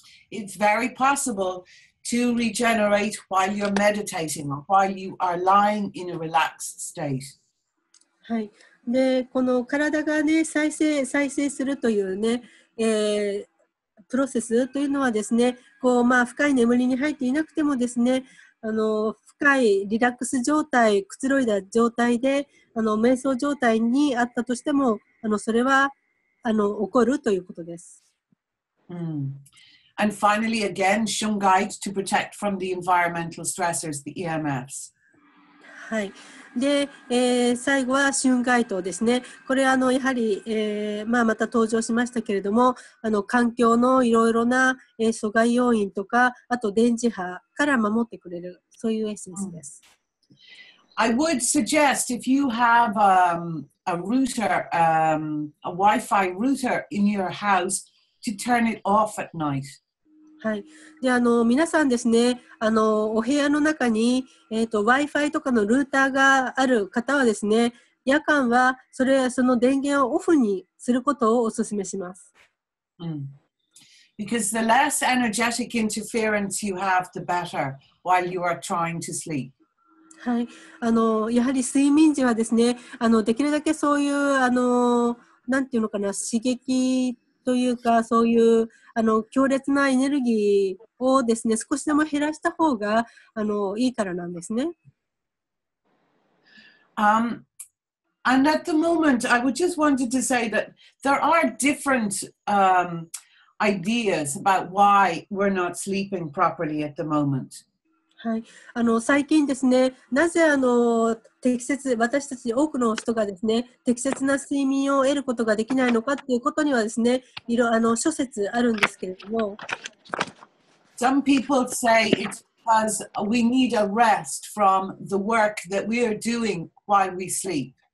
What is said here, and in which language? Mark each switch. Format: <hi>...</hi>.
<en>It's very possible to regenerate while you're meditating or while you are lying in a relaxed state.</en> <ja>はい、でこの体が、ね、再生するという、ねプロセスというのはです、ねこうまあ、深い眠りに入っていなくてもです、ね、あの深いリラックス状態、くつろいだ状態であの瞑想状態にあったとしてもあのそれはあの起こるということです。</ja> <en>And finally, again, Shun guides to protect from the environmental stressors, the EMFs.</en> <ja>はい、で、最後は春街灯ですね。これはあのやはり、まあ、また登場しましたけれども、あの環境のいろいろな、阻害要因とか、あと電磁波から守ってくれる、そういうエッセンスです。</ja> <en>I would suggest if you have a router, a Wi-Fi router in your house, to turn it off at night.</en> <ja>はい、であの皆さんですね、あのお部屋の中に、Wi-Fi とかのルーターがある方はですね、夜間はそれその電源をオフにすることをお勧めします。</ja> <en>Because the less energetic interference you have, the better while you are trying to sleep.</en> <ja>はい、あのやはり睡眠時はですね、あのできるだけそういうあのなんていうのかな、刺激というかそういうあの強烈なエネルギーをですね少しでも減らした方があのいいからなんですね。</ja> <en>And at the moment, I would just wanted to say that there are different ideas about why we're not sleeping properly at the moment.</en> <ja>はい、あの最近ですね、なぜあの適切、私たち多くの人がですね、適切な睡眠を得ることができないのかっていうことにはですね、いろあの諸説あるんですけれども。</ja> <en>Some people say it's because we need a rest from the work that we are doing while we sleep.</en>